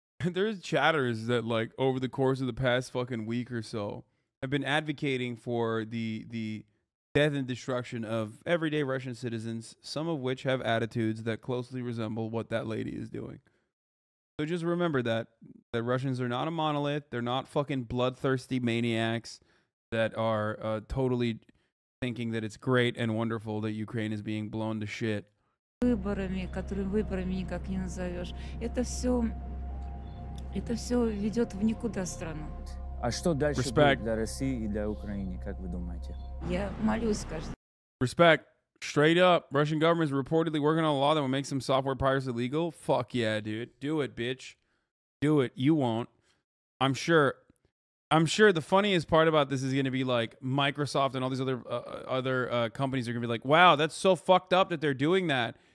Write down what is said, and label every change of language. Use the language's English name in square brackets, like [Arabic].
[English] There's chatters that, like, over the course of the past fucking week or so, have been advocating for the death and destruction of everyday Russian citizens, some of which have attitudes that closely resemble what that lady is doing. So just remember that the Russians are not a monolith. They're not fucking bloodthirsty maniacs that are totally thinking that it's great and wonderful that Ukraine is being blown to shit. [Russian] Выборами, которыми выборами никак не назовешь. Это все ведет в никуда страну. А что дальше будет для России и для Украины, как вы думаете? Я молюсь каждый. [English] Respect. Straight up, Russian government is reportedly working on a law that would make some software pirates illegal. Fuck yeah, dude. Do it, bitch. Do it. You won't. I'm sure the funniest part about this is going to be like Microsoft and all these other companies are going to be like, wow, that's so fucked up that they're doing that.